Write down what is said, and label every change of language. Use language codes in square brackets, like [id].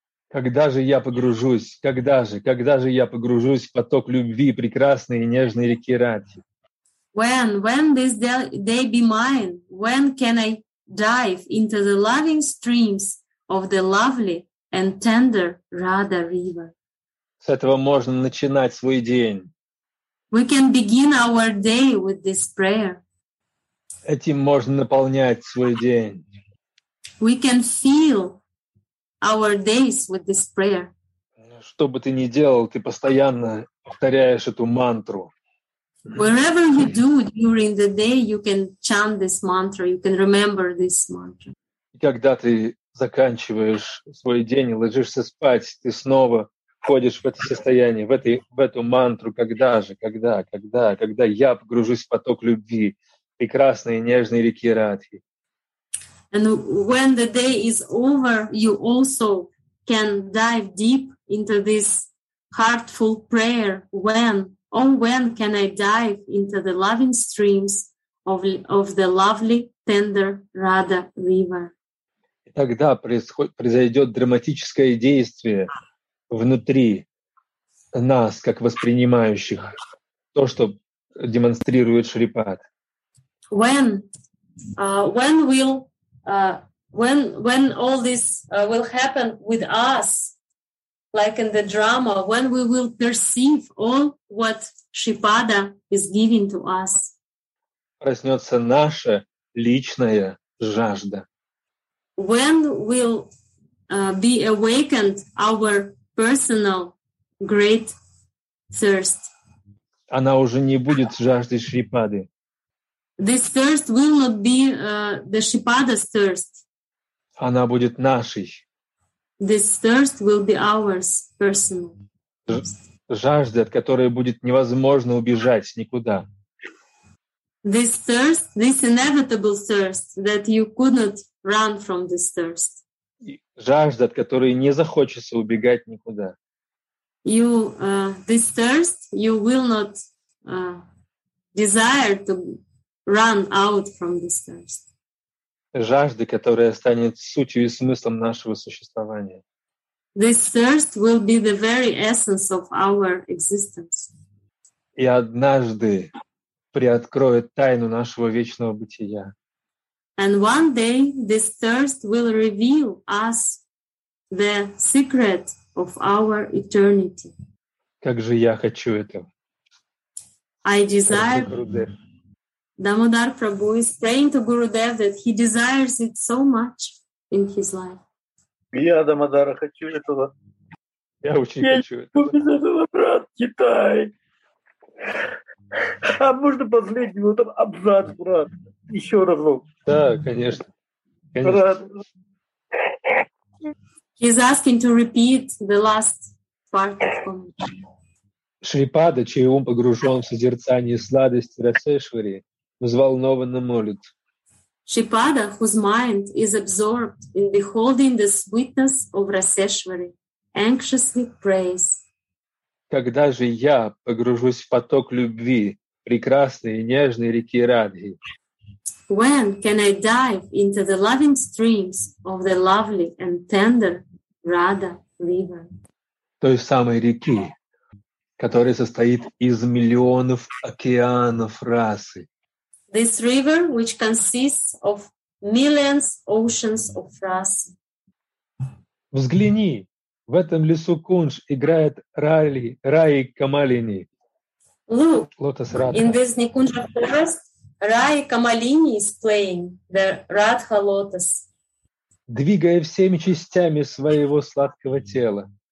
[ru] Когда же я погружусь в поток любви прекрасной и нежной реки Рати? [en] When this day be mine? When can I dive into the loving streams of the lovely and tender Radha River? [ru] С этого можно начинать свой день. [en] We can begin our day with this prayer. [ru] Этим можно наполнять свой день. [en] We can feel our days with this prayer. [ru] Что бы ты ни делал, ты постоянно повторяешь эту мантру. [en] Wherever you do during the day, you can chant this mantra, you can remember this mantra. [ru] И когда ты заканчиваешь свой день и ложишься спать, ты снова входишь в это состояние, в эту мантру, когда я погружусь в поток любви прекрасной и нежной реки Радхи. [en] And when the day is over, you also can dive deep into this heartful prayer. When can I dive into the loving streams of the lovely, tender Radha River? [ru] И тогда произойдет драматическое действие внутри нас, как воспринимающих то, что демонстрирует Шрипад. [en] When all this will happen with us, like in the drama, when we will perceive all what Шрипада is giving to us. [ru] Проснется наша личная жажда. [en] When will be awakened our personal great thirst? [ru] Она уже не будет жаждой Шрипады. [en] This thirst will not be the Шрипада's thirst. [ru] Она будет нашей. [en] This thirst will be ours, personal. [ru] Жажда, от которой будет невозможно убежать никуда. [en] This thirst, this inevitable thirst, that you could not run from this thirst. [ru] Жажда, от которой не захочется убегать никуда. [en] You, this thirst, you will not desire to run out from this thirst. [ru] Жажды, которая станет сутью и смыслом нашего существования. [en] This thirst will be the very essence of our existence. [ru] И однажды приоткроет тайну нашего вечного бытия. [en] And one day this thirst will reveal us the secret of our eternity. [ru] Как же я хочу этого. [en] I desire. Дамодар Прабху is praying to Gurudev that he desires it so much in his life. [ru] Я, Дамодара, хочу этого. Я очень хочу этого. Я хочу этого, брат, Китай. А можно последний вот там абзац, брат? Еще разок. Да, конечно. Брат. [en] He's asking to repeat the last part of commentary. [ru] Шрипада, чей ум погружен в созерцание сладости Расешвари, взволнованно молит. [en] Шрипада, whose mind is absorbed in beholding the sweetness of Raseshwari, anxiously prays. [ru] Когда же я погружусь в поток любви прекрасной и нежной реки Радхи? [en] When can I dive into the loving streams of the lovely and tender Radha River? [ru] Той самой реки, которая состоит из миллионов океанов расы. [en] This river, which consists of millions oceans of rasa. [ru] Взгляни, в этом лесу Кунш играет Раи Камалини. [en] Look, in this Nikunja forest, Раи Камалини is playing the Radha lotus. [ru] Двигая всеми частями своего сладкого тела.